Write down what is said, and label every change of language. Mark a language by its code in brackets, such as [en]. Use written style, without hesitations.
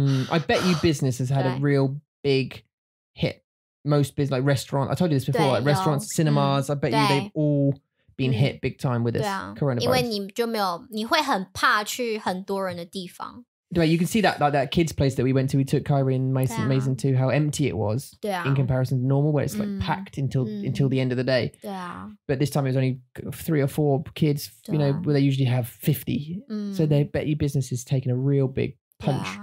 [en] I bet you business has had a real big hit. Most business, like restaurants. I told you this before, like restaurants, cinemas. I bet you they've all been hit big time with this coronavirus. [zh] 因为你就没有，你会很怕去很多人的地方。 [en] Right, you can see that like that kids place that we went to, we took Kyrie and Mason, Mason too, how empty it was in comparison to normal, where it's like packed until the end of the day. But this time it was only three or four kids, you know, where they usually have 50. So they bet your business is taking a real big punch.